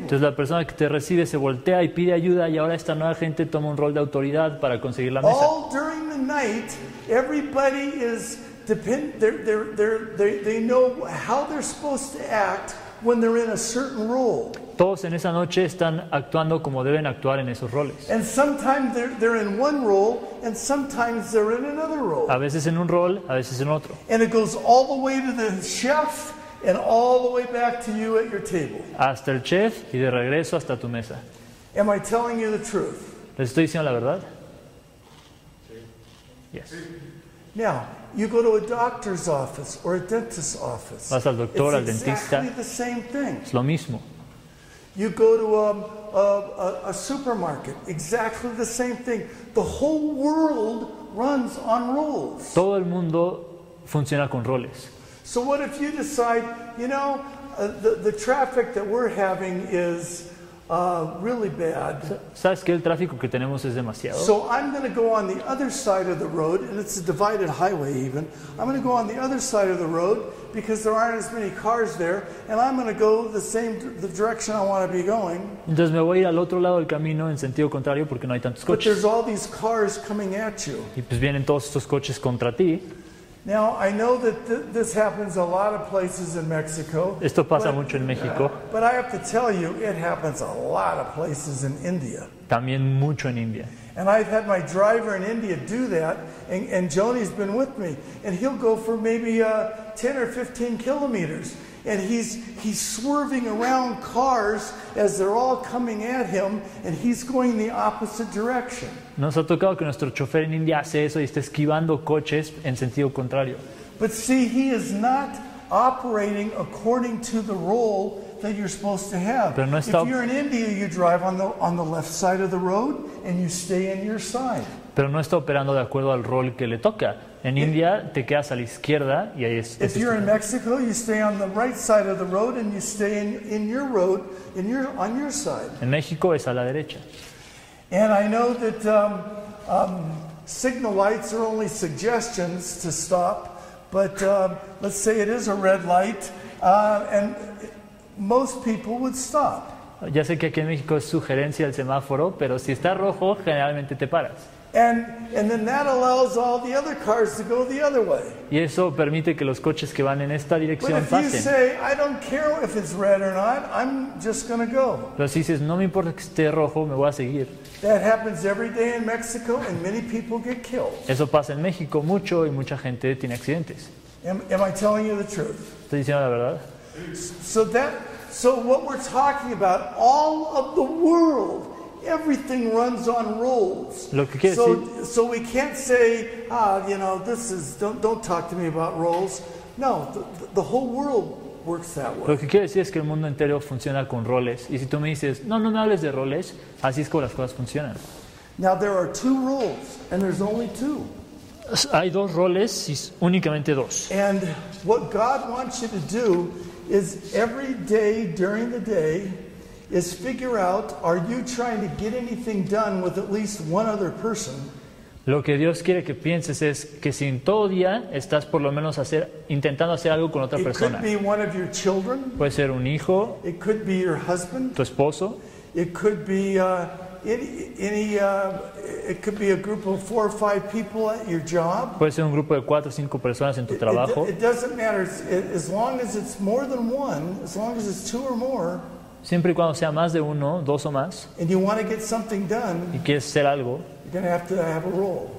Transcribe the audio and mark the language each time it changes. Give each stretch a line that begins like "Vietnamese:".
Spanish: Entonces la persona que te recibe se voltea y pide ayuda y ahora esta nueva gente toma un rol de autoridad para conseguir la mesa.
English: All during the night, everybody is dependent. They know how they're supposed to act when they're in a certain role.
Spanish: Todos en esa noche están actuando como deben actuar en esos roles.
English: And sometimes they're in one role and sometimes they're in another role.
Spanish: A veces en un rol, a veces en otro.
English: And it goes all the way to the chef. And all the way back to you at your table.
Spanish: Hasta el chef y de regreso hasta tu mesa.
English: Am I telling you the truth?
Spanish: ¿Les estoy diciendo la verdad? Sí.
English: Yes. Now, you go to a doctor's office or a dentist's office.
Spanish: Vas al doctor, al dentista.
English: It's exactly the same thing.
Spanish: Es lo mismo.
English: You go to a supermarket. Exactly the same thing. The whole world runs on roles.
Spanish: Todo el mundo funciona con roles.
English: So what if you decide, you know, the traffic that we're having is really bad.
Spanish: ¿Sabes que el tráfico que tenemos es demasiado?
English: So I'm going to go on the other side of the road, and it's a divided highway even. I'm going to go on the other side of the road because there aren't as many cars there, and I'm going to go the direction I want to be going.
Spanish: Entonces me voy a ir al otro lado del camino en sentido contrario porque no hay tantos coches.
English: But there's all these cars coming at you.
Spanish: Y pues vienen todos estos coches contra ti.
English: Now I know that this happens a lot of places in Mexico.
Spanish: Esto pasa mucho en México.
English: But I have to tell you, it happens a lot of places in India.
Spanish: También mucho en India.
English: And I've had my driver in India do that, and Joni's been with me, and he'll go for maybe 10 or 15 kilometers, and he's swerving around cars as they're all coming at him, and he's going the opposite direction.
Spanish: Nos ha tocado que nuestro chofer en India hace eso y está esquivando coches en sentido contrario.
English: But see, he is not operating according to the role that you're supposed to have.
Spanish: Pero no está...
English: If you're in India, you drive on the left side of the road and you stay in your side.
Spanish: Pero no está operando de acuerdo al rol que le toca. En India te quedas a la izquierda y ahí es.
English: If you're in Mexico, you stay on the right side of the road and you stay in your road in your on your side.
Spanish: En México es a la derecha.
English: And I know that signal lights are only suggestions to stop, but let's say it is a red light, and most people would stop.
Spanish: Ya sé que aquí en México es sugerencia el semáforo, pero si está rojo, generalmente te paras.
English: And then that allows all the other cars to go the other way.
Spanish: Y eso permite que los coches que van en esta dirección pasen.
English: But if you say, I don't care if it's red or not, I'm just going to go.
Spanish: Pero si dices, no me importa que esté rojo, me voy a seguir.
English: That happens every day in Mexico, and many people get killed.
Spanish: Eso pasa en México mucho y mucha gente tiene accidentes.
English: Am I telling you the truth?
Spanish: ¿Estoy diciendo la verdad?
English: So what we're talking about, all of the world. Everything runs on rules.
Spanish: Lo que quiere
English: so we can't say, this is don't talk to me about rules. No, the whole world works that way.
Spanish: Lo que quiere decir es que el mundo entero funciona con roles. Y si tú me dices, no me hables de roles, así es como las cosas funcionan.
English: Now there are two rules, and there's only two.
Spanish: Hay dos roles y únicamente dos.
English: And what God wants you to do is every day during the day. Is figure out, are you trying to get anything done with at least one other person?
Spanish: Lo que Dios quiere que pienses es que si en todo día estás por lo menos intentando hacer algo con otra persona.
English: It could be one of your children.
Spanish: Puede ser un hijo.
English: It could be your husband.
Spanish: Tu esposo.
English: It could be it could be a group of 4 or 5 people at your job.
Spanish: Puede ser un grupo de 4 o 5 personas en tu trabajo.
English: It doesn't matter as long as it's more than one, as long as it's two or more.
Spanish: Siempre y cuando sea más de uno, dos o más,
English: and you want to get something done,
Spanish: y quieres hacer algo,
English: you're going to have a role.